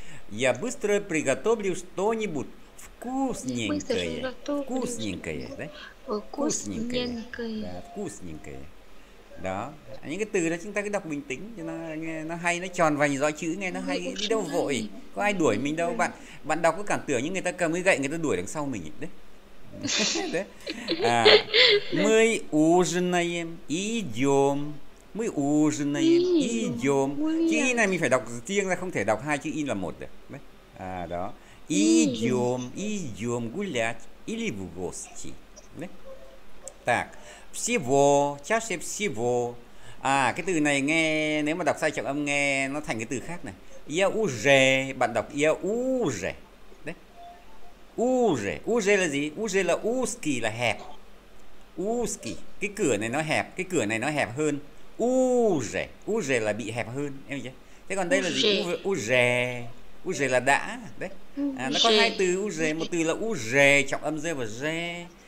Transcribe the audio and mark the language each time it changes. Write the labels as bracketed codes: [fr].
[ru] Я быстро приготовлю что-нибудь вкусненькое, вкусненькое, да? Вкусненькое, да, вкусненькое. [vi] Đó, những cái từ đó chúng ta cứ đọc bình tĩnh cho nó nghe nó hay, nó tròn vành rõ chữ, nghe nó Người hay, đi đâu vội, có ai đuổi mình đâu. Bạn bạn đọc có cảm tưởng như người ta cầm cái gậy người ta đuổi đằng sau mình ấy. Đấy. Đấy. [ru] Мы ужинаем, идем. Мы ужинаем, идем. [vi] Chữ y này mình phải đọc riêng ra, không thể đọc hai chữ y là một được. Đấy. Đó. [ru] Идем, идем гулять или в гости. [vi] Đấy. [ru] Так. Всего, чаще всего. [vi] Cái từ này nghe, nếu mà đọc sai trọng âm nghe nó thành cái từ khác này. [ru] Я уже, [vi] bạn đọc [ru] я уже. [vi] Đấy. [ru] Уже, уже [vi] là gì? Уже là узкий, là hẹp. Узкий, cái cửa này нó hẹp, cái cửa này nó hẹp hơn. Уже, уже là bị hẹp hơn, em hiểu chưa? Thế còn đây là gì? [ru] Уже. Уже, уже [vi] là đã, đấy. Nó có [ru] Уже. [vi] hai từ уже, một từ là уже, trọng âm rơi vào re.